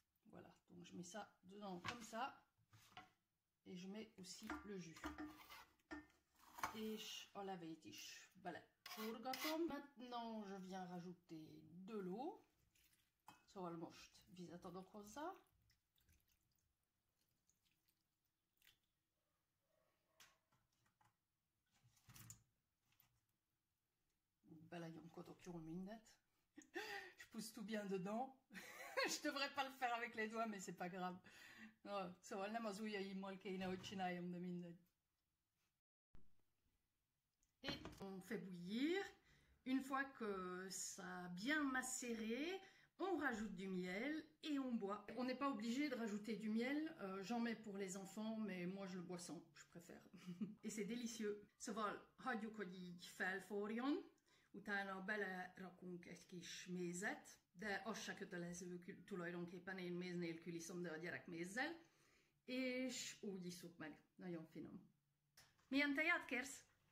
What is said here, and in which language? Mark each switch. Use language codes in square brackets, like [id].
[fr] Voilà, donc je mets ça dedans comme ça. Et je mets aussi le jus. [hu] És a levét is bele. Forgatom. [fr] Maintenant, je viens rajouter de l'eau. [hu] Szóval most vizet adok hozzá. Belegyomkodok jól mindet. [fr] Je pousse tout bien dedans. Je devrais pas le faire avec les doigts, mais c'est pas grave. [hu] No, szóval nem az ujjaimmal kéne, hogy csináljam, de mindegy. [fr] Et on fait bouillir. Une fois que ça a bien macéré, on rajoute du miel et on boit. On n'est pas obligé de rajouter du miel. J'en mets pour les enfants, mais moi je le bois sans. Je préfère. Et c'est délicieux. [hu] Szóval, hagyjuk, hogy így felforjon. Utána belerakunk egy kis mézet. De az se kötelező tulajdonképpen. Én méz nélkül iszom, de a gyerek mézzel. És úgy iszuk meg. Nagyon finom. Milyen teját kérsz?